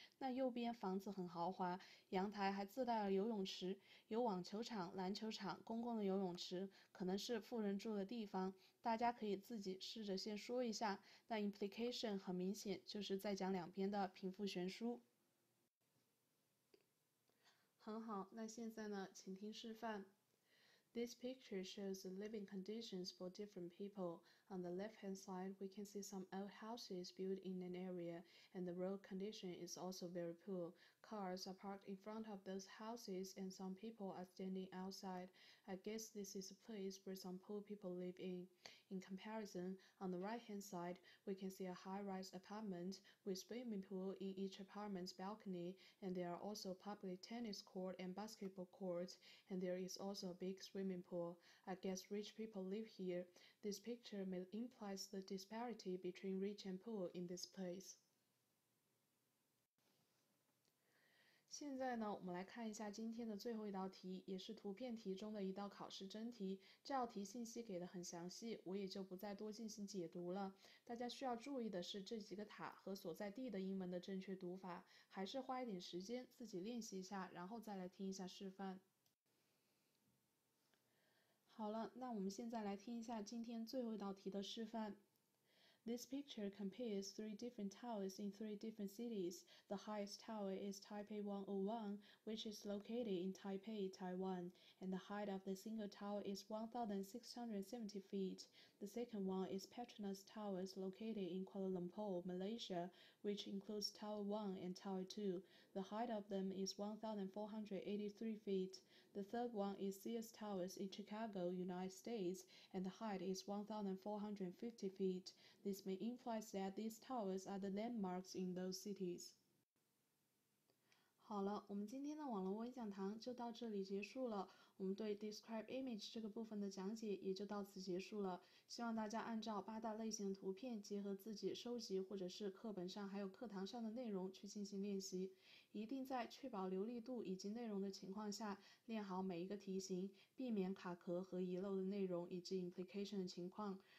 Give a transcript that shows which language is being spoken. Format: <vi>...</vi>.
<zh>那右边房子很豪华，阳台还自带了游泳池，有网球场、篮球场、公共的游泳池，可能是富人住的地方。大家可以自己试着先说一下，那 implication 很明显就是在讲两边的贫富悬殊。很好，那现在呢，请听示范。</zh> <en>This picture shows the living conditions for different people. On the left-hand side, we can see some old houses built in an area, and the road condition is also very poor. Cars are parked in front of those houses, and some people are standing outside. I guess this is a place where some poor people live in. In comparison, on the right-hand side, we can see a high-rise apartment with swimming pool in each apartment's balcony, and there are also public tennis court and basketball courts, and there is also a big swimming pool. I guess rich people live here. This picture may imply the disparity between rich and poor in this place.</en> <zh>现在呢，我们来看一下今天的最后一道题，也是图片题中的一道考试真题。这道题信息给的很详细，我也就不再多进行解读了。大家需要注意的是这几个塔和所在地的英文的正确读法，还是花一点时间自己练习一下，然后再来听一下示范。好了，那我们现在来听一下今天最后一道题的示范。</zh> <en>This picture compares three different towers in three different cities. The highest tower is Taipei 101, which is located in Taipei, Taiwan, and the height of the single tower is 1,670 feet. The second one is Petronas Towers, located in Kuala Lumpur, Malaysia, which includes Tower 1 and Tower 2. The height of them is 1,483 feet. The third one is Sears Towers in Chicago, United States, and the height is 1,450 feet. This may imply that these towers are the landmarks in those cities.</en> <zh>好了，我们今天的网络微讲堂就到这里结束了。我们对 Describe Image 这个部分的讲解也就到此结束了。希望大家按照八大类型的图片，结合自己收集或者是课本上还有课堂上的内容去进行练习，一定在确保流利度以及内容的情况下练好每一个题型，避免卡壳和遗漏的内容以及 Implication 的情况。</zh>